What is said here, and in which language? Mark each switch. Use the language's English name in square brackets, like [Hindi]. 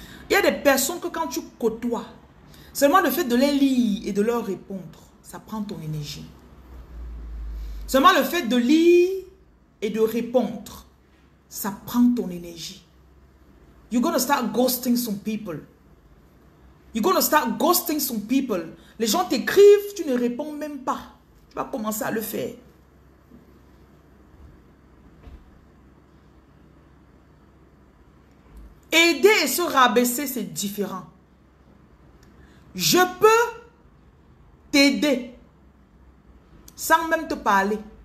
[French] Il y a des personnes que quand tu côtoies, seulement le fait de les lire et de leur répondre, ça prend ton énergie. Seulement le fait de lire et de répondre, ça prend ton énergie. [English] You're going to start ghosting some people. You're going to start ghosting some people. [French] Les gens t'écrivent, tu ne réponds même pas. Tu vas commencer à le faire. Aider et se rabaisser, c'est différent. Je peux t'aider sans même te parler.